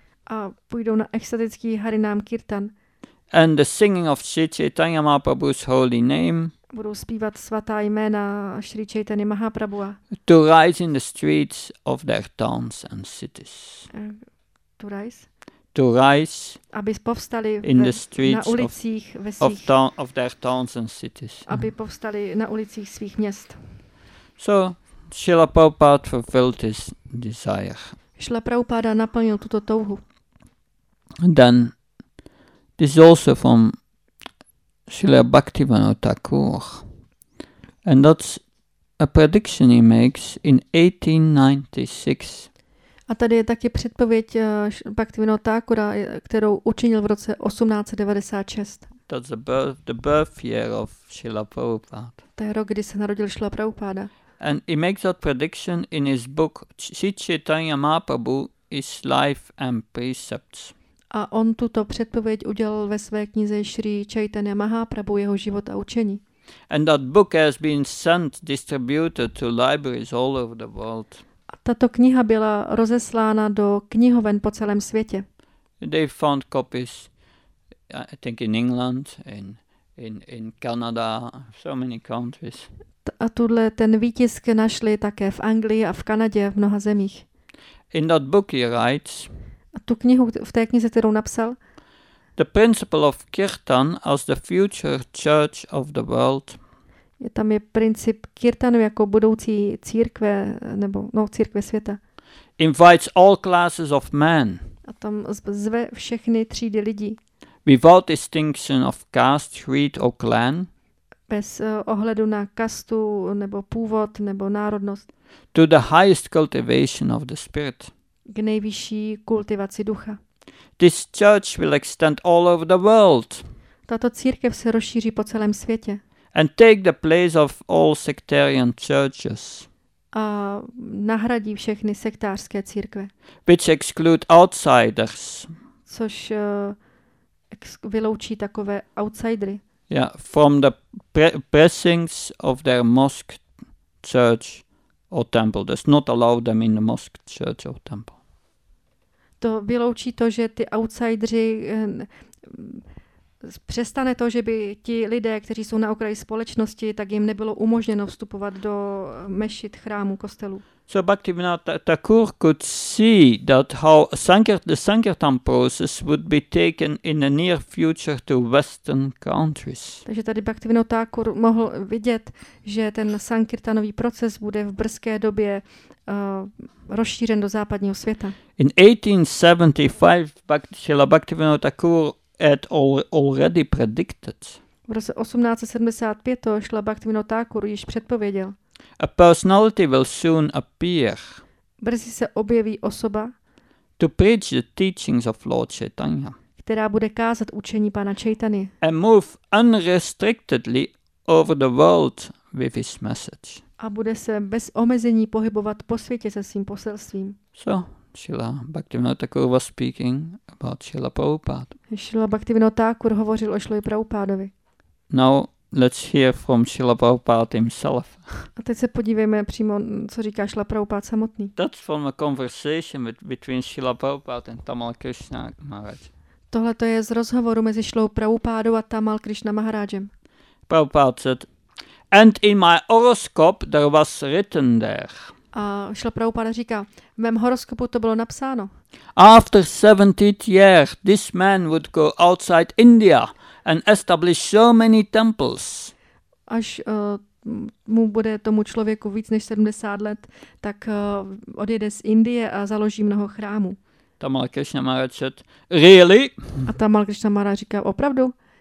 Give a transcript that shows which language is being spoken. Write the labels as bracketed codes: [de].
[cs] A půjdou na ecstatický Harinam Kirtan. [en] And the singing of Sri Chaitanya Mahaprabhu's holy name. [cs] Budou zpívat svatá jména Sri Chaitanya Mahaprabhu. [en] To rise in the streets of their towns and cities. To rise? to rise, [cs] aby povstali [en] in the streets [cs] na ulicích [en] of, [cs] ve svých, [en] of, town, of their towns and cities. [cs] Aby povstali na ulicích svých měst. [en] So Srila Prabhupada fulfilled his desire. [cs] Srila Prabhupada naplnil tuto touhu. [en] And then this is also from Srila Bhaktivinoda Thakur. And that's a prediction he makes in 1896. [cs] A tady je taky předpověď Bhaktivinoda Thakura, kterou učinil v roce 1896. [en] That's the birth year of Srila Prabhupada. [cs] To je rok, kdy se narodil Srila Prabhupada. [en] And he makes that prediction in his book Sri Chaitanya Mahaprabhu, His Life and Precepts. [cs] A on tuto předpověď udělal ve své knize Sri Chaitanya Mahaprabhu, jeho život a učení. [en] And that book has been sent, distributed to libraries all over the world. [cs] A tato kniha byla rozeslána do knihoven po celém světě. [en] They found copies, I think in England, in Canada, so many countries. [cs] A tuhle ten výtisk našli také v Anglii a v Kanadě a v mnoha zemích. [en] In that book he writes, [cs] a tu knihu v té knize, kterou napsal, [en] the principle of kirtan as the future church of the world. [cs] Je tam je princip kirtanu jako budoucí církve nebo no církve světa. [en] Invites all classes of men. [cs] A tam zve všechny třídy lidí. [en] Without distinction of caste, creed or clan. [cs] Bez ohledu na kastu nebo původ nebo národnost. [en] To the highest cultivation of the spirit. [cs] K nejvyšší kultivaci ducha. [en] This church will extend all over the world. [cs] Tato církev se rozšíří po celém světě. [en] And take the place of all sectarian churches. [cs] A nahradí všechny sektářské církve. [en] Which exclude outsiders. [cs] Což vyloučí takové outsidery. [en] Yeah, from the pressings of their mosque church or temple. Does not allow them in the mosque church or temple. [cs] To vyloučí to, že ty outsideri přestane to, že by ti lidé, kteří jsou na okraji společnosti, tak jim nebylo umožněno vstupovat do mešit, chrámu, kostelu. [en] So Bhaktivinoda Thakur could see that how the Sankirtan process would be taken in the near future to Western countries. [cs] Takže tady Bhaktivinoda Thakur mohl vidět, že ten Sankirtanový proces bude v brzké době rozšířen do západního světa. [en] In 1875, Srila Bhaktivinoda Thakur had already predicted. [cs] V roce 1875 to Srila Bhaktivinoda Thakur již předpověděl. [en] A personality will soon appear. [cs] Brzy se objeví osoba. [en] To preach the teachings of Lord Chaitanya. [cs] Která bude kázat učení pana Chaitany. [en] And move unrestrictedly over the world with his message. [cs] A bude se bez omezení pohybovat po světě se svým poselstvím. [en] So, Srila Bhaktivinoda Thakur was speaking about Srila Prabhupada. [cs] Srila Bhaktivinoda Thakur hovořil o Srila Prabhupádovi. [en] Now, let's hear from Srila Prabhupada himself. [cs] A teď se podívejme přímo, co říká Srila Prabhupada samotný. [en] That's from a conversation between Srila Prabhupada and Tamal Krishna Maharaj. [cs] Tohle to je z rozhovoru mezi Srilou Prabhupádou a Tamal Krishna Maharajem. [en] Prabhupada said, and in my horoscope there was written there. [cs] A Srila Prabhupada říká, v mém horoskopu to bylo napsáno. [en] After 70th year, this man would go outside India and establish so many temples. [cs] Až mu bude tomu člověku víc než 70 let, tak odjede z Indie a založí mnoho chrámů. [en] Tamal Krishna Maharaj said, really? [cs] A Tamal Krishna Maharaj říká, opravdu?